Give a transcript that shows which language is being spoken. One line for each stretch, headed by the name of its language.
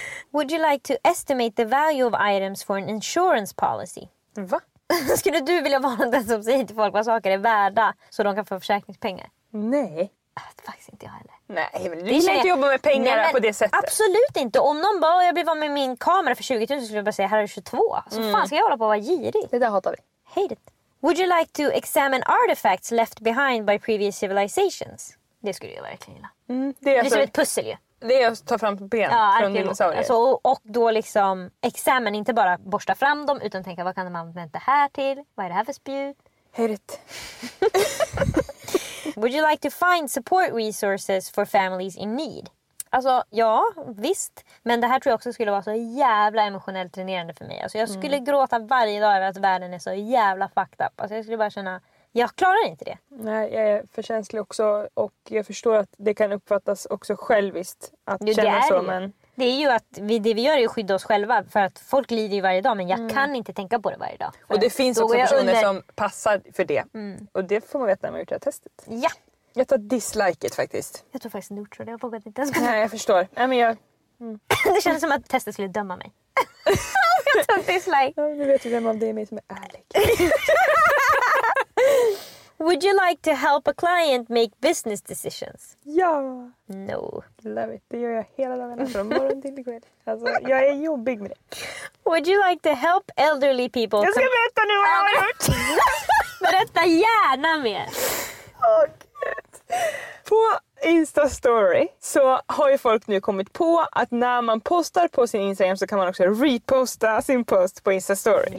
English: Would you like to estimate the value of items for an insurance policy?
Swedish: Va? Skulle du vilja vara den som säger till folk vad saker är värda så de kan få försäkringspengar? Nej. Faktiskt inte jag heller. Nej, men du kan inte jobba med pengar på det sättet. Absolut inte. Om någon bara, jag blir vara med min kamera för 20 000 så skulle jag bara säga, här är 22. Så fan, ska jag hålla på att vara girig? Det där hatar vi. Hate it.
English: Would you like to examine artifacts left behind by previous civilizations?
Swedish: Det skulle jag verkligen gilla. Det är som alltså ett pussel ju. Det är att ta fram ben från dinosaurier. Alltså, och då liksom examen, inte bara borsta fram dem utan tänka, vad kan man använda det här till? Vad är det här för spjut? Hate it.
English: Would you like to find support resources for families in need?
Swedish: Alltså, ja, visst. Men det här tror jag också skulle vara så jävla emotionellt tränande för mig. Alltså, jag skulle gråta varje dag över att världen är så jävla fucked up. Alltså, jag skulle bara känna, jag klarar inte det. Nej, jag är för känslig också. Och jag förstår att det kan uppfattas också själviskt att jo, känna så, det. Men det är ju att det vi gör är att skydda oss själva. För att folk lider ju varje dag, men jag kan inte tänka på det varje dag. Och det finns också personer som passar för det. Och det får man veta när man gjort det här testet. Ja. Jag tar dislike it faktiskt. Jag tror faktiskt neutral, det har pågått inte ens. Nej, jag förstår. Nej, men jag... Det känns som att testet skulle döma mig. Jag tar dislike. Nu vet du vem av det är mig som är ärlig.
English: Would you like to help a client make business decisions?
Swedish: Ja.
English: No.
Swedish: Love it. Det gör jag hela dagen från morgon till kväll. Alltså, jag är jobbig med det.
English: Would you like to help elderly people?
Swedish: Jag ska berätta nu vad jag har gjort. Berätta gärna mer. Åh, gud. På Insta Story så har ju folk nu kommit på att när man postar på sin Instagram så kan man också reposta sin post på Insta Story.